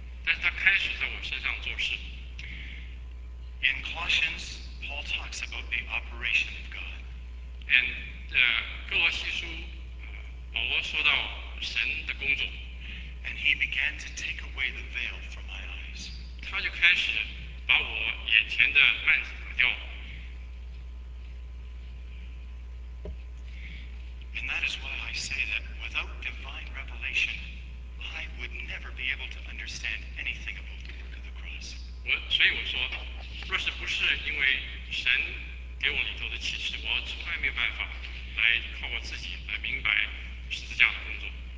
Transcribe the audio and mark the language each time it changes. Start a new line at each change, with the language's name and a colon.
Chinese: 但是他开始在我身上做事。
English: In Colossians, Paul talks about the operation of God.
Chinese: And 哥罗西书，保罗说到神的工作。
English: And he began to take away the veil from my eyes.
Chinese: 他就开始把我眼前的幔子打掉。
English: And that is why I say that without divine revelation, I would never be able to understand anything about the work of the cross.
Chinese: 所以我说，若是不是因为神给我里头的启示，我从来没有办法来靠我自己来明白十字架的工作。